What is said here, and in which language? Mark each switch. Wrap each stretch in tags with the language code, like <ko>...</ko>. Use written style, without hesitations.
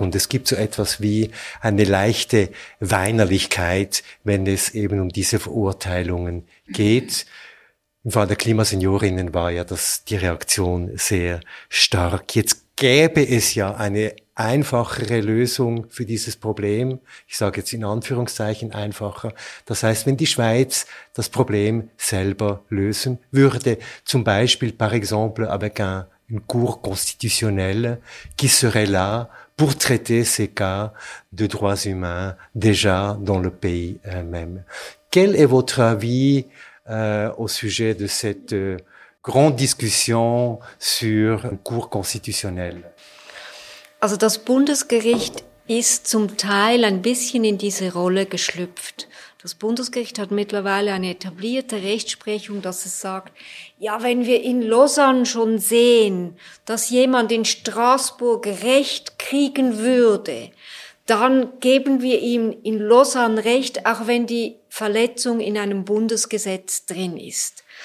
<de>Und es gibt so etwas wie eine leichte Weinerlichkeit, wenn es eben um diese Verurteilungen geht. Im Fall der Klimaseniorinnen war ja die Reaktion sehr stark. Jetzt gäbe es ja eine einfachere Lösung für dieses Problem. Ich sage jetzt in Anführungszeichen einfacher. Das heißt, wenn die Schweiz das Problem selber lösen würde, zum Beispiel,</de> <fr>par exemple, avec une cour constitutionnelle qui serait là pour traiter ces cas de droits humains déjà dans le pays même. Quel est votre avis au sujet de cette grande discussion sur une cour constitutionnelle?</fr> <de>Also das Bundesgericht ist zum Teil ein bisschen in diese Rolle geschlüpft. Das Bundesgericht hat mittlerweile eine etablierte Rechtsprechung, dass es sagt, ja, wenn wir in Lausanne schon sehen, dass jemand in Straßburg Recht kriegen würde, dann geben wir ihm in Lausanne Recht, auch wenn die Verletzung in einem Bundesgesetz drin ist.</de>